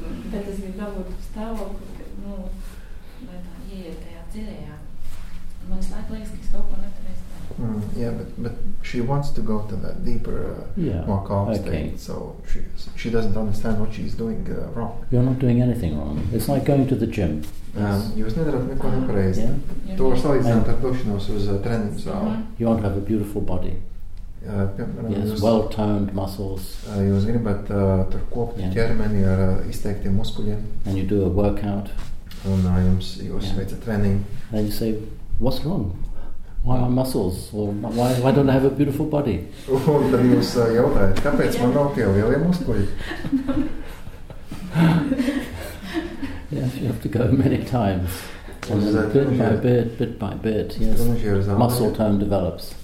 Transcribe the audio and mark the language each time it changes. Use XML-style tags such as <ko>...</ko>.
<lv>Bet es gribu dabūt stāvokli, lai tā ieiet tajā dziļajā. Man slēk liekas, ka es kaut ko neturēstu.</lv> <en>Yeah, but she wants to go to that deeper, more calm state. So she doesn't understand what she's doing wrong. You're not doing anything wrong. It's like going to the gym.</en> <lv>Jūs nedarāt neko nepareizi. To var salīdzināt ar došanos uz treniņu zāli.</lv> <en>You want to have a beautiful body. Yes, well-toned muscles.</en> <lv>Jūs gribat tur kopt ķermeni ar izteiktiem muskuļiem.</lv> <en>And you do a workout.</en> <lv>Un jūs veicat treniņu.</lv> <en>And you say, what's wrong? Why are muscles? Or why don't I have a beautiful body?</en> <lv>Un tad jūs jautājat, kāpēc man nav tie lielie muskuļi?</lv> <en>Yes, you have to go many times. And then bit by bit, yes, muscle tone develops.</en>